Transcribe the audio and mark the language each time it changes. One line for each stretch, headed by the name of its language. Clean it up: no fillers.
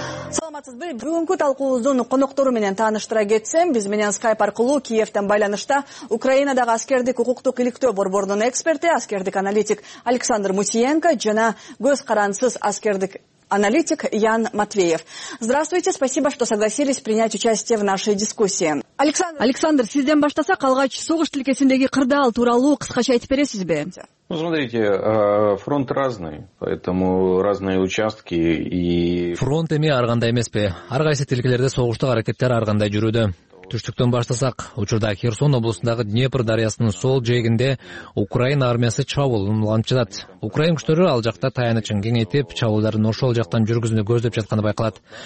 Kyrgyz: Саламатсызбы? Бүгүнкү талкуубуздун конокторум менен тааныштыра кетсем, биз менен Skype аркылуу Киевтен байланышта Украинадагы аскердик укуктук иликтөө борборунун эксперти, аскердик аналитик Александр Мусиенко жана көз карансыз аскердик аналитик Ян Матвеев.
Russian: Здравствуйте, спасибо, что согласились принять участие в нашей дискуссии.
Kyrgyz: Александр, сизден баштасак, алгач согуш тилкесиндеги кырдаал тууралуу кыскача айтып бересизби?
Russian: Ну, смотрите, фронт разный, поэтому разные участки и...
Kyrgyz: Фронт эми ар кандай эмеспи? Ар кайсы тилкелерде согуштук аракеттер ар кандай жүрүүдө? Түштүктөн баштасак, учурда Херсон облусундагы Днепр дарыясынын сол жээгинде Украина армиясы чабуулун улам жатат. Украин күчтөрү ал жакта таянычын кеңейтип, чабуулдарын ошол жактан жүргүзүүнү көздөп жатканы байкалат.